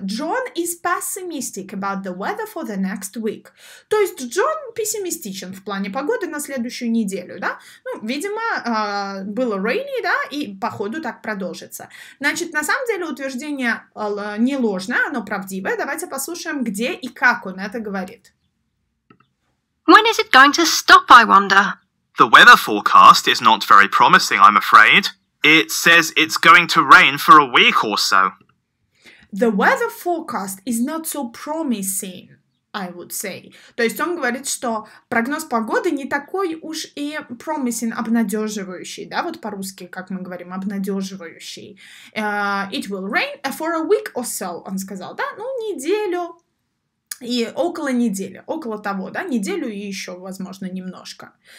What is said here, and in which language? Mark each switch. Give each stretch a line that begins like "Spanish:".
English: John is pessimistic about the weather for the next week.
Russian: То есть Джон пессимистичен в плане погоды на следующую неделю, да? Ну, видимо, было rainy, да, и походу так продолжится. Значит, на самом деле утверждение не ложное, оно правдивое. Давайте послушаем, где и как он это говорит.
English: When is it going to stop, I wonder? The weather forecast is not very promising, I'm afraid. It says it's going to rain for a week or so. The weather forecast is not so promising, I would say.
Russian: То есть он говорит, что прогноз погоды не такой уж и promising, обнадеживающий, да, вот по-русски, как мы говорим, обнадеживающий.
English: It will rain for a week or so,
Russian: он сказал, да, ну, неделю. И около недели, около того, да, неделю и еще, возможно, немножко.